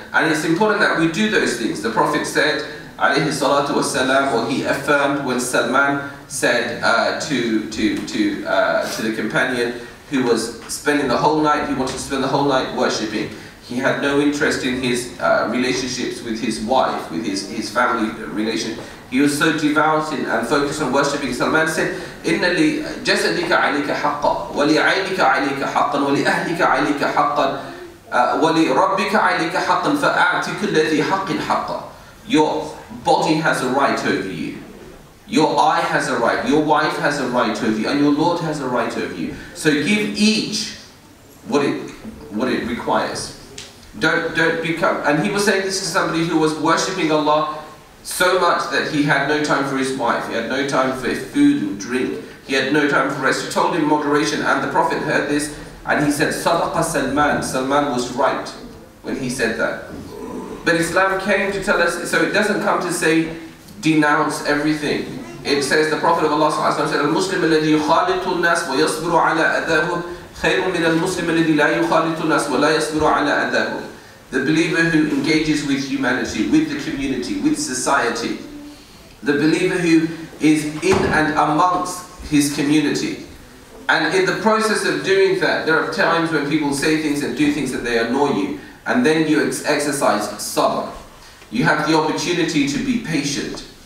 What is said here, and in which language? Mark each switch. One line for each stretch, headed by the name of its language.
English: And it's important that we do those things. The Prophet said, alayhi salatu wasalam, or he affirmed when Salman said to the companion, who was spending the whole night, he wanted to spend the whole night worshipping. He had no interest in his relationships with his wife, with his family relation. He was so devout and focused on worshipping.
Arabic: Salman said, إِنَّ لِجَسَدِكَ عَلِيكَ حَقًّا وَلِعَيْنِكَ عَلِيكَ حَقًّا وَلِأَهْلِكَ عَلِيكَ حَقًّا وَلِرَبِّكَ عَلِيكَ حَقًّا فَأَعْتِ كُلَّ ذِي حَقٍ حَقًّا.
English: Your body has a right over you. Your eye has a right, your wife has a right over you, and your Lord has a right over you. So give each what it requires. Don't become. And he was saying this to somebody who was worshipping Allah so much that he had no time for his wife, he had no time for food and drink, he had no time for rest. He told him moderation, and the Prophet heard this, and he said, Sadaqa Salman. Salman was right when he said that. But Islam came to tell us, so it doesn't come to say, denounce everything. It says the Prophet of Allah said,
Arabic: "Al-Muslim الذي يخالط الناس ويصبر على أذاه خير من المسلم الذي لا يخالط الناس ولا يصبر على أذاه."
English: The believer who engages with humanity, with the community, with society, the believer who is in and amongst his community, and in the process of doing that, there are times when people say things and do things that they annoy you, and then you exercise sabr. You have the opportunity to be patient.